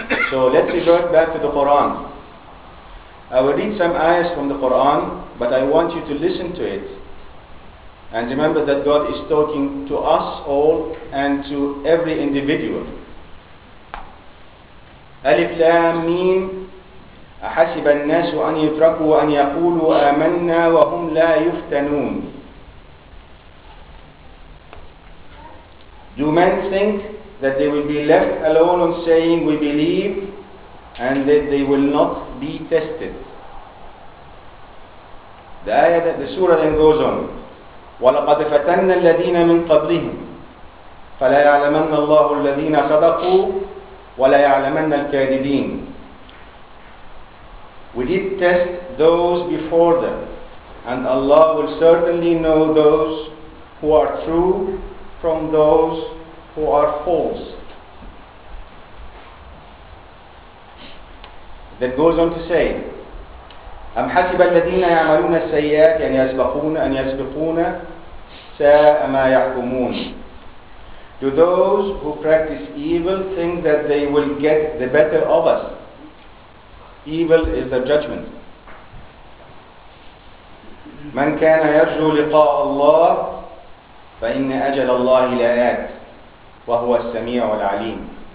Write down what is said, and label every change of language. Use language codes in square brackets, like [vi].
[en] So let's revert back to the Quran. I will read some ayahs from the Quran, but I want you to listen to it. And remember that God is talking to us all and to every individual. [ar] Alif Lam Mim. أحسب الناس أن يتركوا أن يقولوا آمنا وهم لا يفتنون. [en] Do men think that they will be left alone on saying we believe and that they will not be tested? The ayah that the surah then goes on. [ar] وَلَقَدْ فَتَنَّ الَّذِينَ مِنْ قَبْلِهِمْ فَلَا يَعْلَمَنَّ اللَّهُ الَّذِينَ صَدَقُوا وَلَا يَعْلَمَنَّ الْكَاذِبِينَ. [en] We did test those before them, and Allah will certainly know those who are true from those who are false. That goes on to say, [ar] أَمْ حَسِبَ الَّذِينَ يَعْمَلُونَ السَّيِّئَاتِ أَنْ يَسْبَقُونَ أَنْ يَسْبِقُونَ سَاءَ مَا يَحْكُمُونَ. [en] Do those who practice evil think that they will get the better of us? Evil is the judgment. [ar] مَنْ كَانَ يَرْجُو لِقَاءَ اللَّهِ فَإِنَّ أَجَلَ اللَّهِ لَآتٍ وَهُوَ السَّمِيعُ الْعَلِيمُ.